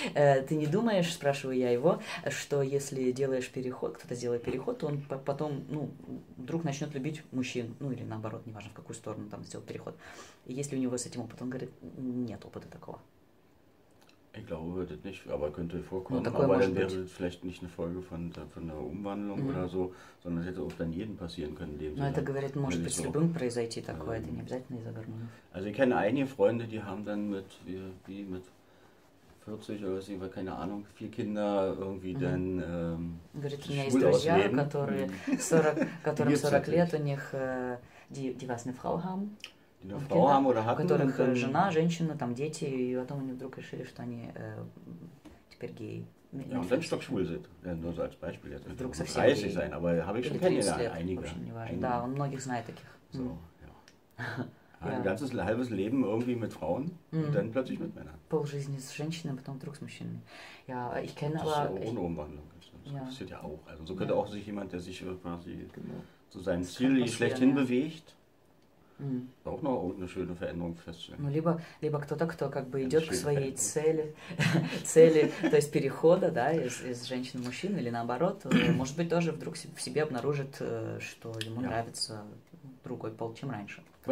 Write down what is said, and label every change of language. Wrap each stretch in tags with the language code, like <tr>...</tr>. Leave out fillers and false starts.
<ru>Ты не думаешь, спрашиваю я его, что если делаешь переход, кто-то сделает переход, то он потом, ну, вдруг начнет любить мужчин, ну или наоборот, неважно в какую сторону там сделал переход. И есть ли у него с этим опыт? Он говорит, нет опыта такого.</ru> <de>Ich glaube, wird es nicht, aber könnte vorkommen. Ну, aber dann wäre es vielleicht nicht eine Folge von der Umwandlung mm-hmm. oder so, sondern es hätte auch dann jedem passieren können.</de> <ru>Ну, no, это говорит, может быть, с любым произойти такое, это не обязательно из-за гормонов.</ru> <de>Also ich kenne einige Freunde, die haben dann mit, wie mit 40 oder was, ich weiß, keine Ahnung, vier Kinder irgendwie mm-hmm. dann</de> <ru>Говорит, у меня есть друзья, которые 40, которым 40 лет, у них,</ru> <de>die was, eine Frau haben? Die eine Frau haben oder hatten.</de> <ru>У которых</ru> <de>dann,</de> <ru>жена, женщина, там дети, и потом они вдруг решили, что они теперь геи.</ru> <de>Ja, und wenn stockschwul sind, nur so als Beispiel jetzt.</de> <ru>Вдруг совсем 30 gay.</ru> <de>Sein, aber habe ich schon kennengelernt, einige.</de> <ru>Да, он многих знает таких.</ru> <de>So, ja. Ein ganzes, halbes Leben irgendwie mit Frauen und dann plötzlich mit Männern.</de> <ru>Пол жизни с женщинами, потом вдруг с мужчинами.</ru> <de>Ja, ich kenne aber... Das ist ja ohne Umwandlung. Das passiert ja auch. Also so könnte auch sich jemand, der sich quasi zu seinem Ziel schlechthin bewegt, Mm. Auch noch eine schöne Veränderung feststellen.</de> <ru>Ну, либо кто-то, кто как бы идет к своей цели, цели, то есть перехода, да, из женщин в мужчин, или наоборот, может быть, тоже вдруг в себе обнаружит, что ему нравится другой пол, чем раньше.</ru>